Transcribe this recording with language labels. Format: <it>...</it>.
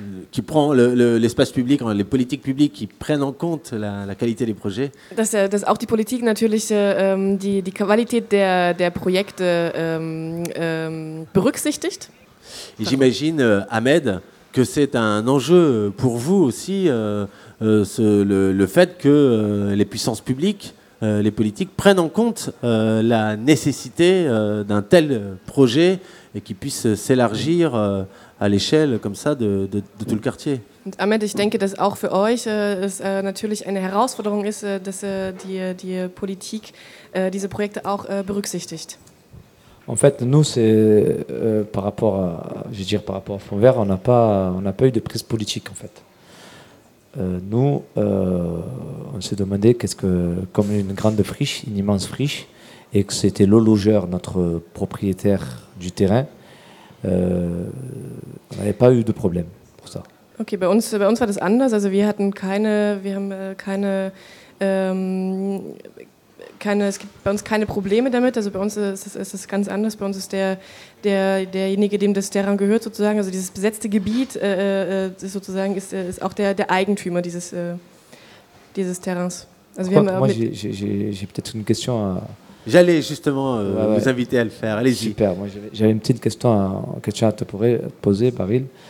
<fr>qui prend l'espace public, les politiques publiques qui prennent en compte la qualité des projets.</fr> <de>Dass auch die Politik natürlich die Qualität der Projekte berücksichtigt.</de> <fr>Et j'imagine, Ahmed, que c'est un enjeu pour vous aussi, le fait que les puissances publiques, les politiques, prennent en compte la nécessité d'un tel projet et qu'il puisse s'élargir à l'échelle comme ça de tout le quartier.</fr> <de>Ahmed, ich denke, dass auch für euch es natürlich eine Herausforderung ist, dass die Politik diese Projekte auch berücksichtigt.</de> <fr>En fait, nous, c'est par rapport à, je veux dire, par rapport à Fonds Vert, on n'a pas eu de prise politique, en fait. Nous, on s'est demandé qu'est-ce que, comme une grande friche, une immense friche, et que c'était le logeur, notre propriétaire du terrain, on n'avait pas eu de problème pour ça.</fr> <de>Ok, bei uns war das anders. Also, es gibt bei uns keine Probleme damit. Also bei uns ist es ganz anders. Bei uns ist derjenige, dem das Terrain gehört sozusagen, also dieses besetzte Gebiet sozusagen, ist auch der Eigentümer dieses Terrains. Also wir haben</de> <fr>moi, j'ai peut-être une question. J'allais justement vous inviter à le faire. Allez-y. Super. Moi, j'avais une petite question à te poser, Baril.</fr>